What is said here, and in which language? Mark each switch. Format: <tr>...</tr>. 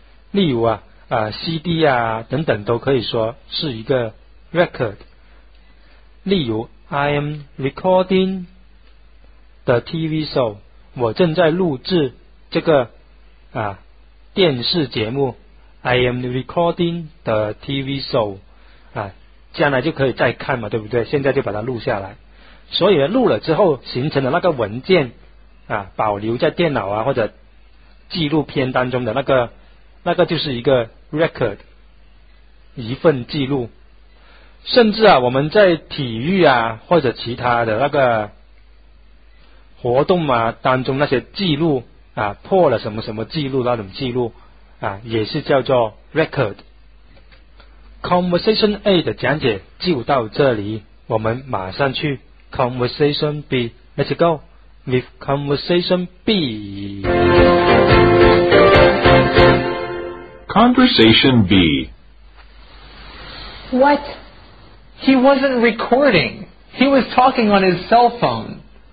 <zh>例如CD 啊等等都可以说是一个 record。例如</zh> <en>I am recording the TV show，</en> <zh>我正在录制这个电视节目。</zh> <en>I am recording the TV show</en> <zh>将来就可以再看嘛，对不对？现在就把它录下来，所以录了之后形成了那个文件保留在电脑或者记录片当中的那个就是一个 record， 一份记录。甚至我们在体育或者其他的那个活动当中那些记录破了什么什么记录那种记录也是叫做 record。 Conversation A 的讲解就到这里，我们马上去Conversation B.</zh> <en>Let's go with Conversation B. Conversation B. What? He wasn't recording. He was talking on his cell phone.</en>